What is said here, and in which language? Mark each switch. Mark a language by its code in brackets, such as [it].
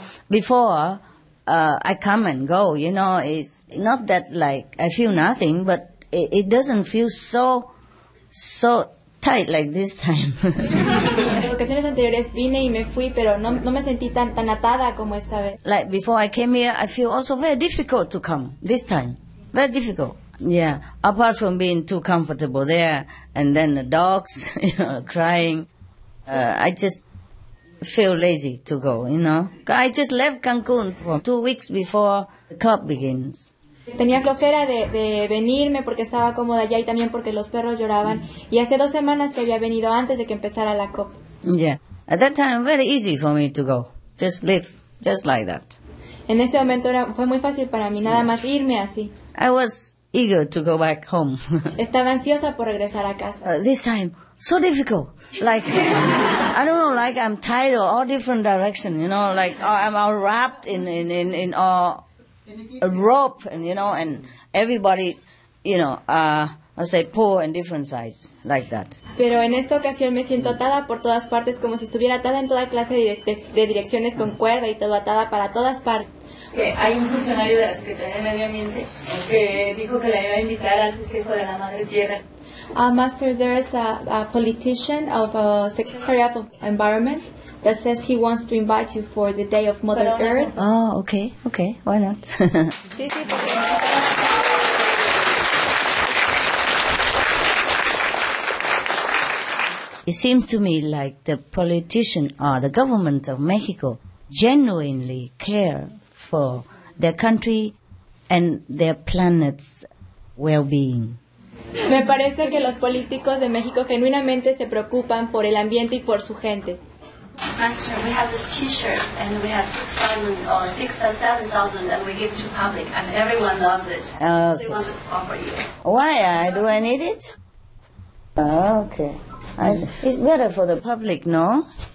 [en] Before, I come and go, you know, it's not that like I feel nothing, but it doesn't feel so tight like this time. [es] En ocasiones anteriores vine y me fui, pero no me sentí tan atada como esta vez. [en] Like before I came here, I feel also very difficult to come this time. Very difficult. Yeah. Apart from being too comfortable there, and then the dogs, you know, crying, I just feel lazy to go, you know. I just left Cancun for 2 weeks before the cup begins. [es] Tenía flojera de venirme porque estaba cómoda allá y también porque los perros lloraban. Y hace 2 semanas que había venido antes de que empezara la cup. [en] Yeah. At that time, very easy for me to go. Just live, just like that. [es] En ese momento fue muy fácil para mí, nada más irme así. [en] I was eager to go back home. [es] Estaba ansiosa por regresar a casa. [en] This time, so difficult. Like, I don't know, like I'm tired or all different direction, you know, like I'm all wrapped in all a rope, and you know, and everybody, you know, I say pull in different sides, like that. [es] Pero en esta ocasión me siento atada por todas partes, como si estuviera atada en toda clase de direcciones con cuerda y todo atada para todas partes. Hay un funcionario de la Secretaría de Medio Ambiente que dijo que la iba a invitar al festejo de la Madre Tierra. [en] Master, there is a politician of a Secretary of Environment that says he wants to invite you for the Day of Mother Earth. Oh, okay, okay, why not? It seems to me like the politician or the government of Mexico genuinely care for their country and their planet's well-being. [es] Me parece que los políticos de México genuinamente se preocupan por el ambiente y por su gente. [en] Master, we have this t-shirt and we have 6,000 or 7,000 that we give to public and everyone loves it. Okay. So we want to offer you. Why? Do I need it? Okay. It's better for the public, no?